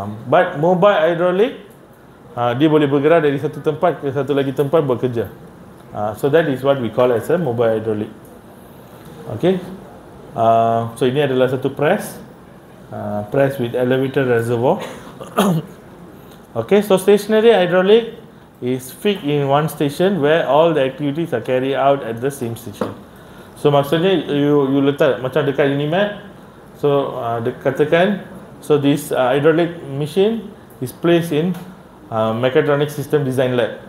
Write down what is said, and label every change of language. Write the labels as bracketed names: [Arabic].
[English] But mobile hydraulic, [Malay] dia boleh bergerak dari satu tempat ke satu lagi tempat bekerja. [English] So, that is what we call as a mobile hydraulic. Okay. [Malay] So ini adalah satu press, press with elevator reservoir. [English] Okay, so stationary hydraulic is fixed in one station where all the activities are carried out at the same station. [Malay] So maksudnya you letak macam dekat ini mat. So katakan, [English] so this hydraulic machine is placed in mechatronic system design lab.